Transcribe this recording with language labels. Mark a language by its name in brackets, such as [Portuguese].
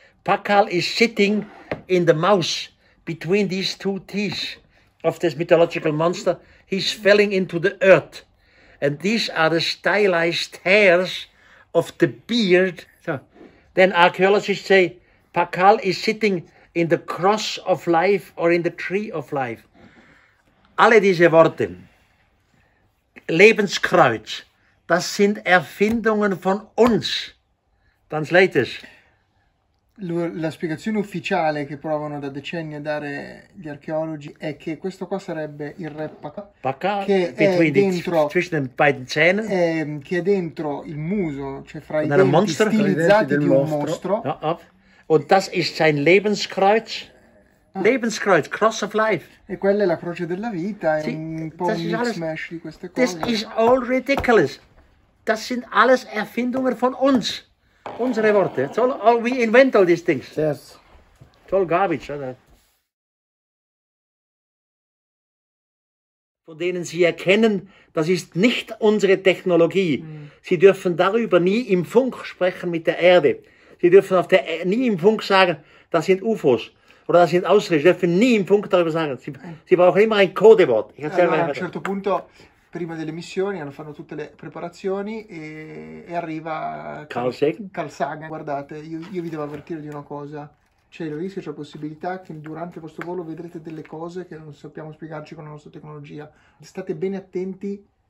[English] Pakal is sitting in the mouth between these two teeth of this mythological monster. He's falling into the earth. And these are the stylized hairs of the beard. So, then archaeologists say, Pakal is sitting in the cross of life or in the tree of life. [German] Alle diese Worte, Lebenskreuz, das sind Erfindungen von uns. [English] Translators. [Italian] La spiegazione ufficiale che provano da decenni a dare gli archeologi è che questo qua sarebbe il re Pakal, che è dentro, che è dentro il muso, cioè fra i denti stilizzati di un mostro. [German] Und das ist sein Lebenskreuz. Lebenskreuz, [English] cross of life. [Italian] E quella è la croce della vita, è un po' un mix-mash di queste cose. [English] This is all ridiculous. [German] Das sind alles Erfindungen von uns. Unsere Worte. [English] It's all we invent all these things. Yes. It's all garbage, oder? [German] Von denen Sie erkennen, das ist nicht unsere Technologie. Sie dürfen darüber nie im Funk sprechen mit der Erde. Sie dürfen auf der nie im Funk sagen, das sind UFOs oder das sind Ausrichter. Sie dürfen nie im Funk darüber sagen. Sie brauchen immer ein Codewort. Ich erzähle mal. [Italian] Prima delle missioni hanno fatto tutte le preparazioni e arriva Carl Sagan. Guardate, io vi devo avvertire di una cosa. C'è il rischio, c'è la possibilità che durante il vostro volo vedrete delle cose che non sappiamo spiegarci con la nostra tecnologia. State bene attenti